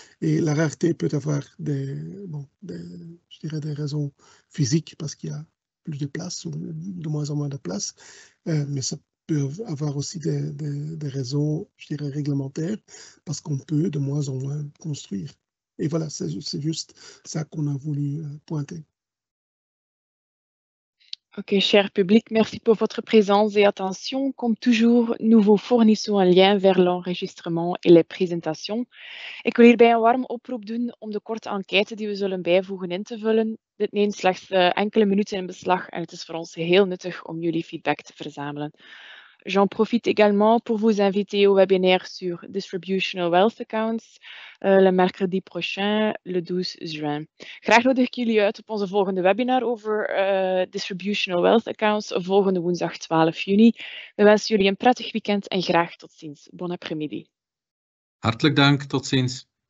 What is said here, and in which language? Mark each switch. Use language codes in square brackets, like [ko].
[fr] Et la rareté peut avoir des raisons physiques, parce qu'il y a plus de place, ou de moins en moins de place, mais ça peut avoir aussi des raisons, je dirais, réglementaires, parce qu'on peut de moins en moins construire. Et voilà, c'est juste ça qu'on a voulu pointer. Ok, cher public, merci pour votre présence et attention. Comme toujours, nous vous fournissons un lien vers l'enregistrement et les présentations. [nl] Ik wil hierbij een warm oproep doen om de korte enquête die we zullen bijvoegen in te vullen. Dit neemt slechts enkele minuten in beslag en het is voor ons heel nuttig om jullie feedback te verzamelen. [fr] J'en profite également pour vous inviter au webinaire sur Distributional Wealth Accounts le mercredi prochain, le 12 juin. [nl] Graag nodig ik jullie uit op onze volgende webinar over Distributional Wealth Accounts volgende woensdag 12 juni. We wensen jullie een prettig weekend en graag tot ziens. [fr] Bon après-midi. [nl] Hartelijk dank, tot ziens.